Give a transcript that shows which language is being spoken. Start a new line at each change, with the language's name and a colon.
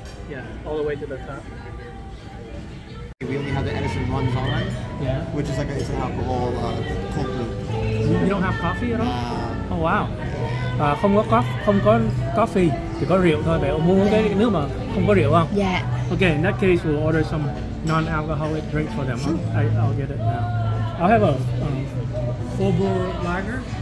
English: Yeah, all the way to the top. We only have the Edison runs on, yeah, which is like a, it's an alcohol cold brew. You don't have coffee at all? Nah. Oh wow.
Vietnamese: Không có coffee, chỉ có rượu thôi. Bạn muốn uống cái nước mà không có rượu không?
English: Yeah. Okay, in that case, we'll order some non-alcoholic drinks for them. Sure. I'll get it now. I'll have a Faubourg lager.